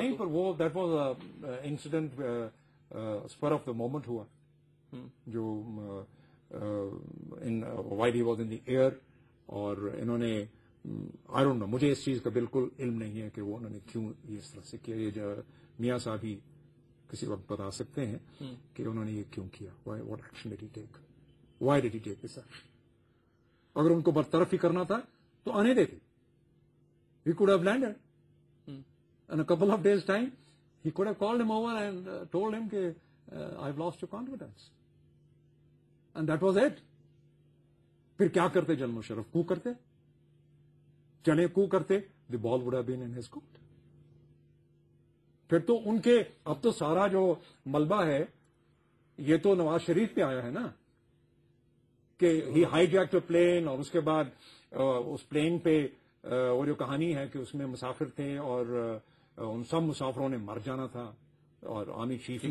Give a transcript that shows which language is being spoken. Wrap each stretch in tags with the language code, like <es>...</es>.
<ur>نہیں پر وہ</ur> <en>that was incident spur of the moment</en> <ur>ہوا جو</ur> <en>while he was in the air,</en> <ur>اور انہوں نے</ur> <en>I don't know,</en> <ur>مجھے اس چیز کا بالکل علم نہیں ہے کہ وہ انہوں نے کیوں یہ اس طرح سے کیا. یہ میاں صاحب ہی کسی وقت بتا سکتے ہیں کہ انہوں نے یہ کیوں کیا,</ur> <en>why, what action did he take, why did he take this action.</en> <ur>اگر ان کو برطرف ہی کرنا تھا تو آنے دیتے,</ur> <en>he could have landed in a couple of days time, he could have called him over and told him کہ I've lost your confidence and that was it.</en> <ur>پھر کیا کرتے جلم شرف, کو کرتے چلے کو کرتے,</ur> <en>the ball would have been in his court.</en> <ur>پھر تو ان کے اب تو سارا جو ملبہ ہے یہ تو نواز شریف پہ آیا ہے نا, کہ</ur> <en>he hijack to plane,</en> <ur>اور اس کے بعد اس پلین پہ وہ جو کہانی ہے کہ اس میں مسافر تھے اور ان سب مسافروں نے مر جانا تھا اور آرمی چیف</ur>